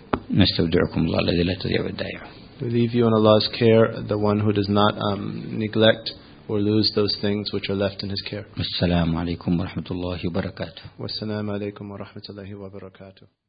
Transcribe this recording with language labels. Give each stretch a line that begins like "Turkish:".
Arabic: نستودعكم الله الذي لا تضيع ودائعه.
English: We leave you in Allah's care, the one who does not neglect or lose those things which are left in His care.
Arabic: السلام عليكم ورحمة الله وبركاته. والسلام عليكم ورحمة الله وبركاته.